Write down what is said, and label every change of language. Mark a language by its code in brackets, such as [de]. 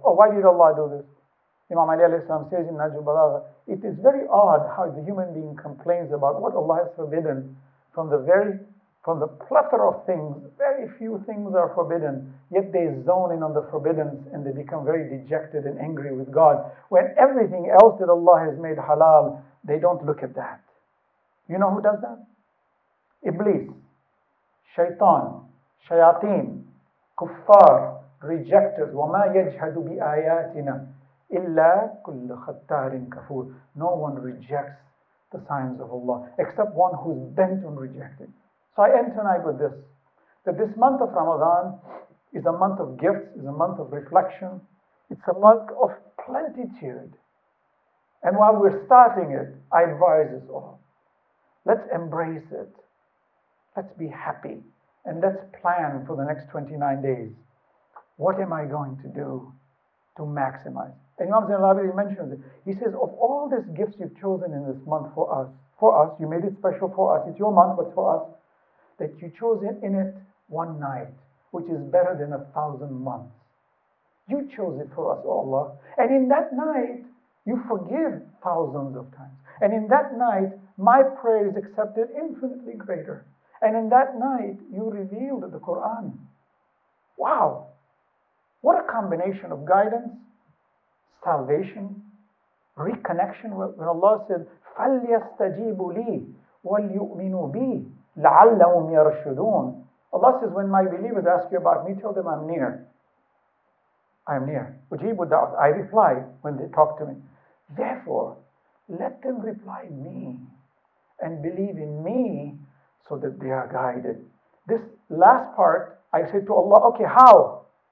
[en] Oh, why did Allah do this? Imam Ali alayhi salam says in Najm al-Balagha, it is very odd how the human being complains about what Allah has forbidden from the plethora of things. Very few things are forbidden, yet they zone in on the forbidden and they become very dejected and angry with God. When everything else that Allah has made halal, they don't look at that. You know who does that? Iblis, shaitan, shayateen, kuffar, rejectors, [ar] وَمَا يَجْهَدُ بِآيَاتِنَا إِلَّا كُلَّ خَتَّارٍ كَفُورٍ. [en] No one rejects the signs of Allah, except one who's bent on rejecting. So I end tonight with this, that this month of Ramadan is a month of gifts, is a month of reflection, it's a month of plentitude. And while we're starting it, I advise us all, let's embrace it, let's be happy, and let's plan for the next 29 days. What am I going to do to maximize? And Imam Zain al-Abidin mentions it. He says, of all these gifts you've chosen in this month for us, you made it special for us, it's your month, but for us, that you chose in it one night, which is better than 1,000 months. You chose it for us, O Allah. And in that night, you forgive thousands of times. And in that night, my prayer is accepted infinitely greater. And in that night, you revealed the Quran. Wow! What a combination of guidance, salvation, reconnection. When Allah said, [ar] فَلْيَسْتَجِيبُ لِي وَلْيُؤْمِنُوا بِي لَعَلَّهُمْ يَرْشُدُونَ. [en] Allah says, when my believers ask you about me, tell them I'm near. I'm near. Ujibu da'at. I reply when they talk to me. Therefore, let them reply me and believe in me so that they are guided. This last part, I said to Allah, okay, how?